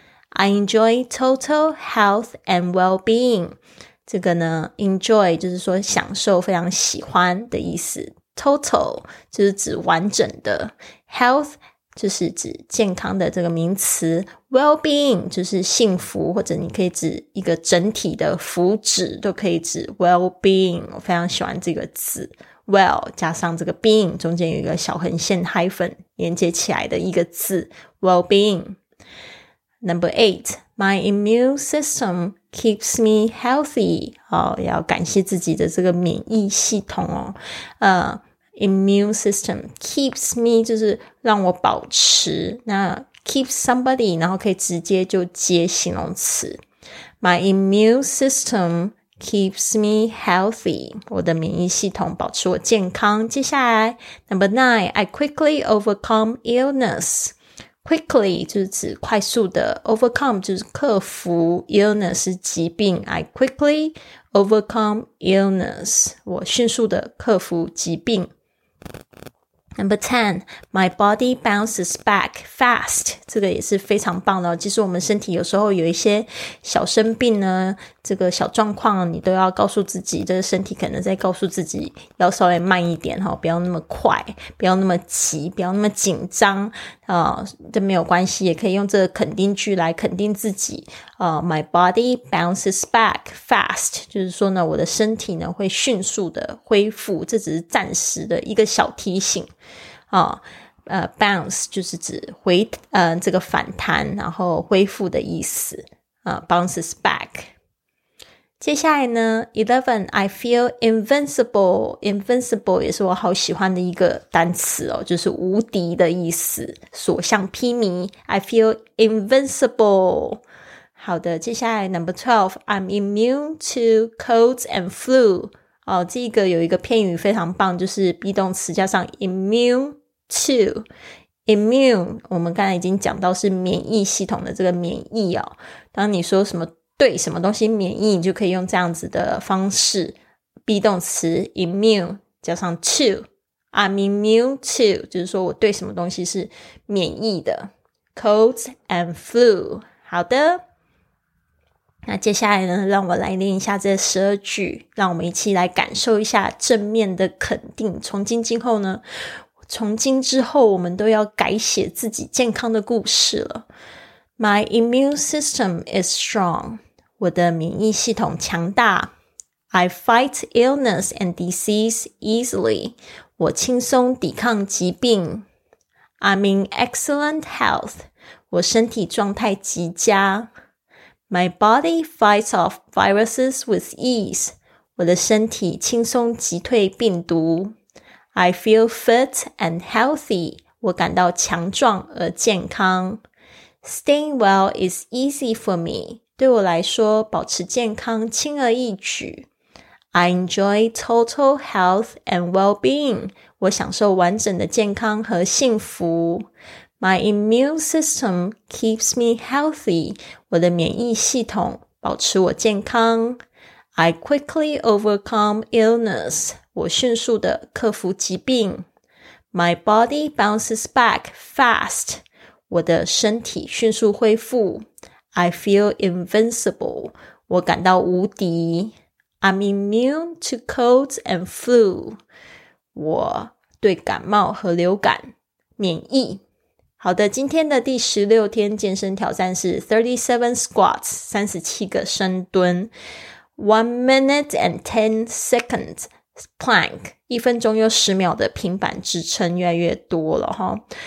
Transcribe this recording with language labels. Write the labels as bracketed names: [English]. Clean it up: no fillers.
[English] I enjoy total health and well-being， [Chinese] 这个呢 enjoy 就是说享受非常喜欢的意思， total 就是指完整的， health 就是指健康的这个名词， well-being 就是幸福，或者你可以指一个整体的福祉，都可以指 well-being。我非常喜欢这个字， well 加上这个 being 中间有一个小横线 hyphen 连接起来的一个字， well-being。 [English] Number eight, my immune system keeps me healthy. [Chinese] 要感谢自己的这个免疫系统哦。 [English] Immune system keeps me [Chinese] 就是让我保持。那 keep somebody 然后可以直接就接形容词。 [English] My immune system keeps me healthy. [Chinese] 我的免疫系统保持我健康。接下来 [English] Number nine, I quickly overcome illness. [Chinese] Quickly 就是指快速的， overcome 就是克服， illness 是疾病。 [English] I quickly overcome illness， [Chinese] 我迅速的克服疾病。 [English] Number 10, my body bounces back fast. [Chinese] 这个也是非常棒的，其实我们身体有时候有一些小生病呢，这个小状况你都要告诉自己，这个身体可能在告诉自己要稍微慢一点，不要那么快，不要那么急，不要那么紧张，这没有关系，也可以用这个肯定句来肯定自己。 [English] My body bounces back fast， [Chinese] 就是说呢，我的身体呢会迅速的恢复，这只是暂时的一个小提醒。 Bounce 就是指回这个反弹然后恢复的意思。 [English] Bounces back。 [Chinese] 接下来呢 [English] ,11, I feel invincible. [Chinese] Invincible 也是我好喜欢的一个单词哦，就是无敌的意思，所向披靡。 [English] I feel invincible. [Chinese] 好的，接下来 [English] ,Number 12, I'm immune to colds and flu. [Chinese] 哦，这个有一个片语非常棒，就是 be 动词加上 immune to。 immune, 我们刚才已经讲到是免疫系统的这个免疫哦。当你说什么对什么东西免疫，你就可以用这样子的方式 be 动词 immune 加上 to。 [English] I'm immune to [Chinese] 就是说我对什么东西是免疫的， [English] colds and flu。 [Chinese] 好的，那接下来呢，让我来念一下这十二句，让我们一起来感受一下正面的肯定。从今之后呢，从今之后我们都要改写自己健康的故事了。 [English] My immune system is strong. [Chinese] 我的免疫系统强大。 [English] I fight illness and disease easily. [Chinese] 我轻松抵抗疾病。 [English] I'm in excellent health. [Chinese] 我身体状态极佳。 [English] My body fights off viruses with ease. [Chinese] 我的身体轻松击退病毒。 [English] I feel fit and healthy. [Chinese] 我感到强壮而健康。 [English] Staying well is easy for me. [Chinese] 对我来说，保持健康轻而易举。 [English] I enjoy total health and well-being. [Chinese] 我享受完整的健康和幸福。 [English] My immune system keeps me healthy. [Chinese] 我的免疫系统保持我健康。 [English] I quickly overcome illness. [Chinese] 我迅速地克服疾病。 [English] My body bounces back fast. [Chinese] 我的身体迅速恢复。 [English] I feel invincible. [Chinese] 我感到无敌。 [English] I'm immune to colds and flu. [Chinese] 我对感冒和流感免疫。好的，今天的第16天健身挑战是37 squats, 37个深蹲。 [English] 1 minute and 10 seconds plank, [Chinese] 一分钟又十秒的平板支撑越来越多了齁。